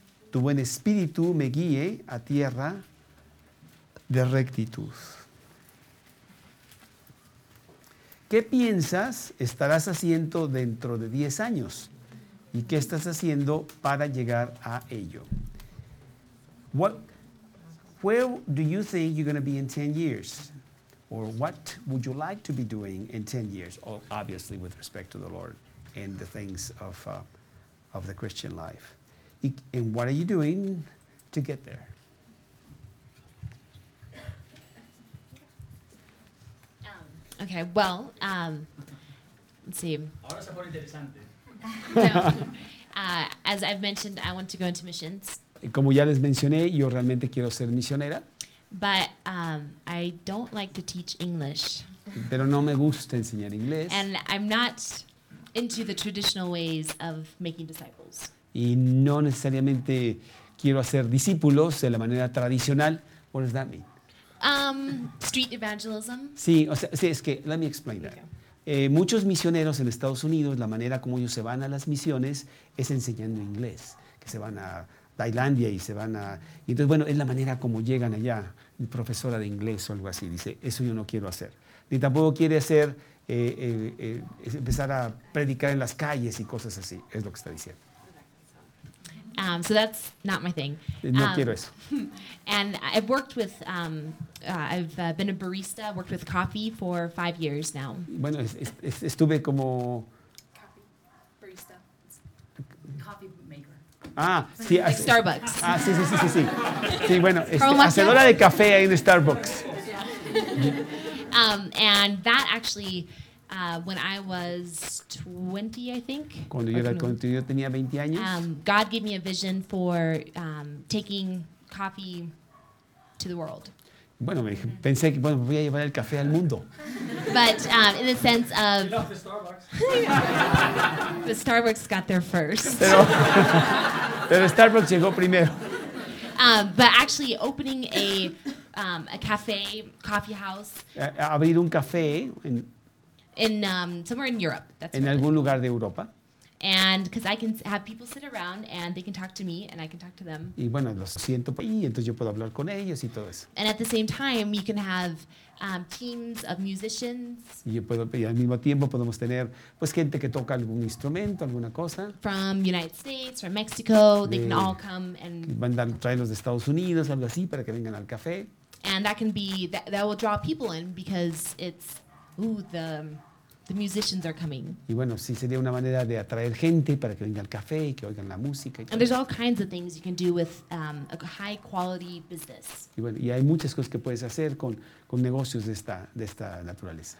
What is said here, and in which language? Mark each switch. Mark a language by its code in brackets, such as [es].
[es] Tu buen espíritu me guíe a tierra de rectitud. ¿Qué piensas estarás haciendo dentro de 10 años? ¿Y qué estás haciendo para llegar a ello? [en] Where do you think you're going to be in 10 years? Or what would you like to be doing in 10 years? Obviously, with respect to the Lord and the things of the Christian life. And what are you doing to get there? Okay, well, let's see. [es] Ahora se pone interesante. [en] As I've mentioned, I want to go into missions. [es] Como ya les mencioné, yo realmente quiero ser misionera. [en] But I don't like to teach English. [es] Pero no me gusta enseñar inglés. [en] And I'm not into the traditional ways of making disciples. [es] Y no necesariamente quiero hacer discípulos de la manera tradicional. [en] What does that mean? Street evangelism. [es] Sí, o sea, sí, es que [en] let me explain that. [es] Muchos misioneros en Estados Unidos, la manera como ellos se van a las misiones es enseñando inglés, que se van a Tailandia y se van a... Y entonces, bueno, es la manera como llegan allá, profesora de inglés o algo así, dice, eso yo no quiero hacer. Ni tampoco quiere hacer, empezar a predicar en las calles y cosas así, es lo que está diciendo. [en] So that's not my thing. [es] No quiero eso. [en] And I've worked with, I've been a barista, worked with coffee for 5 years now. [es] Bueno, estuve como... Ah, sí. Starbucks. Ah, sí, sí, sí, sí, sí. Sí, bueno, hacedora de café ahí en Starbucks. [en] And that actually, when I was 20, I think. [es] Cuando yo, yo tenía 20 años. [en] God gave me a vision for taking coffee to the world. [es] Bueno, pensé que bueno, voy a llevar el café al mundo. [en] But in the sense of... Starbucks. The Starbucks got there first. [es] Pero Starbucks llegó primero. [en] But actually opening a cafe, coffee house. [es] Abrir un café [en] in somewhere in Europe. That's [es] en algún lugar de Europa. [en] And because I can have people sit around and they can talk to me and I can talk to them. [es] Y bueno, los siento ahí, entonces yo puedo hablar con ellos y todo eso. [en] And at the same time, you can have teams of musicians. [es] Y yo puedo, y al mismo tiempo podemos tener pues gente que toca algún instrumento, alguna cosa. [en] From United States, from Mexico, they can all come and. [es] Van a dar, traen los de Estados Unidos, algo así, para que vengan al café. [en] And that can be that will draw people in because it's the musicians are coming. [es] Y bueno, sí sería una manera de atraer gente para que venga al café y que oigan la música. [en] And there's all kinds of things you can do with a high quality business. [es] Y bueno, y hay muchas cosas que puedes hacer con negocios de esta naturaleza.